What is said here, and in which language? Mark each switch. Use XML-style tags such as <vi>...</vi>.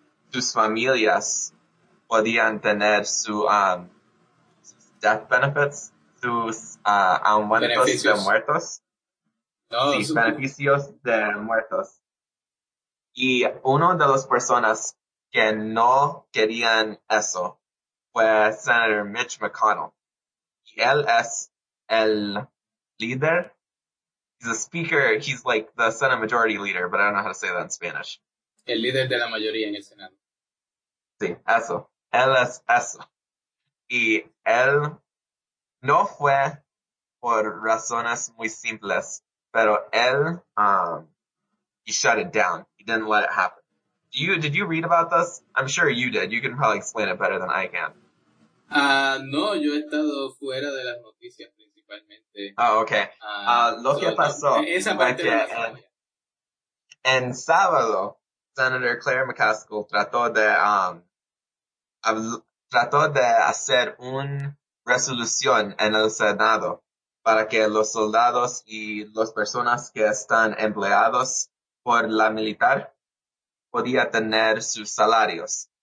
<es>sus familias podían tener sus</es> <en>death benefits,</en> <es>sus aumentos de muertos, beneficios de muertos. Y una de las personas que no querían eso fue Senator Mitch McConnell. Y él es el líder.</es> <en>He's a speaker. He's like the Senate Majority Leader, but I don't know how to say that in Spanish.</en> <es>El líder de la mayoría en el Senado. Sí, eso. Él es eso. Y él no fue por razones muy simples, pero él,</es> <en>he shut it down. He didn't let it happen. Did you read about this? I'm sure you did. You can probably explain it better than I can.</en> <es>No, yo he estado fuera de las noticias principalmente. Oh, okay. Que pasó esa parte fue que en sábado, Senator Claire McCaskill trató de hacer un resolución en el Senado para que los soldados y las personas que están empleados por la militar podía tener sus salarios.</es>